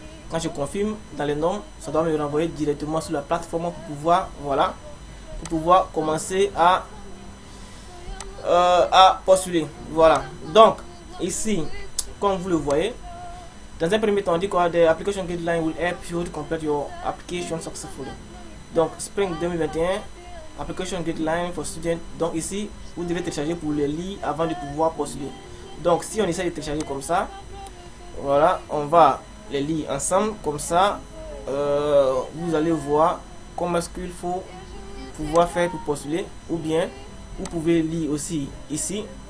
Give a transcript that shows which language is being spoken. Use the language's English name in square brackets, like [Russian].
[French] Quand je confirme dans les normes, ça doit me renvoyer directement sur la plateforme pour pouvoir, voilà, pour pouvoir commencer à postuler. Voilà. Donc, ici, comme vous le voyez, dans un premier temps, on dit quoi? [English] The application guideline will help you to complete your application successfully. [French] Donc, [English] Spring 2021, application guideline for students. [French] Donc, ici, vous devez télécharger pour le lire avant de pouvoir postuler. Donc, si on essaie de télécharger comme ça, voilà, on va les lire ensemble comme ça. Vous allez voir comment est-ce qu'il faut pouvoir faire pour postuler, ou bien vous pouvez lire aussi ici.